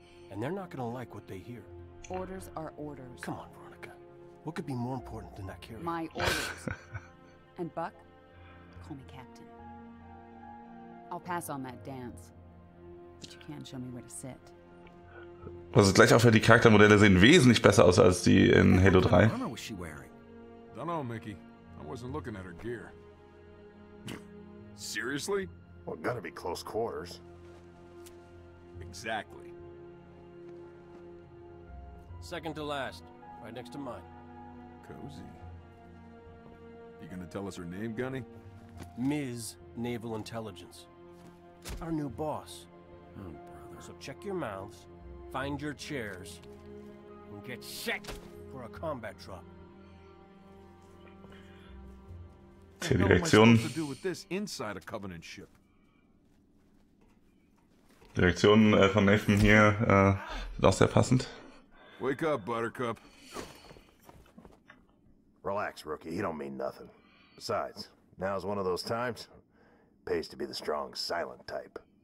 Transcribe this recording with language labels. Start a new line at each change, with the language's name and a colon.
English: And they're not gonna like what they hear. Orders are orders. Come on, Veronica. What could be more important than that carrier? My orders. And Buck, call me Captain. I'll pass on that dance. But you can show me where to sit.
German: Also gleich auch, die Charaktermodelle sehen wesentlich besser aus als die in Halo 3.
English: What kind of armor was she wearing? Don't know, Mickey. I wasn't looking at her gear. Seriously? Well, gotta be close quarters. Exactly. Second to last, right next to mine. Cozy. You gonna tell us her name, Gunny? Ms. Naval Intelligence. Our new boss. Oh, brother. So check your mouths, find your chairs, and get set for a combat drop. What am I supposed to do with this inside a Covenant ship?
German: Direktion von Nathan hier ist auch sehr passend.
English: Wake up, Buttercup. Relax, rookie. He don't mean nothing. Besides, now's one of those times. Pays to be the strong, silent type.